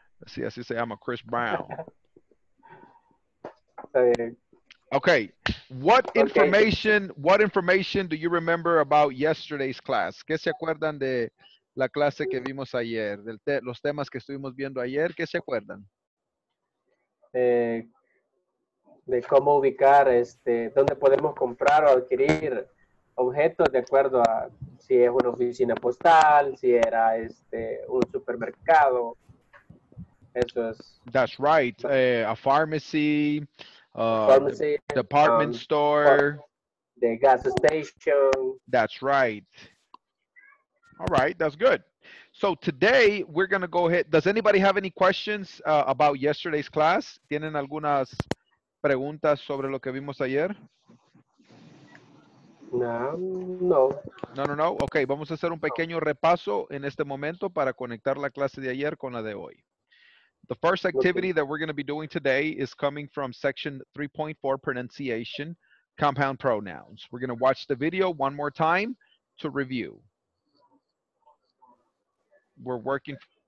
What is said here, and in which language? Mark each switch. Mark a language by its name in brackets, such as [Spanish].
[English] Let's see. I see. Say I'm a Chris Brown. Okay. What information do you remember about yesterday's class? [Spanish] ¿Qué se acuerdan de la clase que vimos ayer? Los temas que estuvimos viendo ayer. ¿Qué se acuerdan? De cómo ubicar, dónde podemos comprar o adquirir objetos de acuerdo a si es una oficina postal, si era un supermercado. Eso es. [English] That's right. A pharmacy. Pharmacy. Department store. The gas station. That's right. All right, that's good. So today we're gonna go ahead. Does anybody have any questions about yesterday's class? [Spanish] ¿Tienen algunas preguntas sobre lo que vimos ayer? No. Okay, vamos a hacer un pequeño repaso en este momento para conectar la clase de ayer con la de hoy. [English] The first activity that we're going to be doing today is coming from section 3.4 pronunciation, compound pronouns. We're going to watch the video one more time to review. We're working.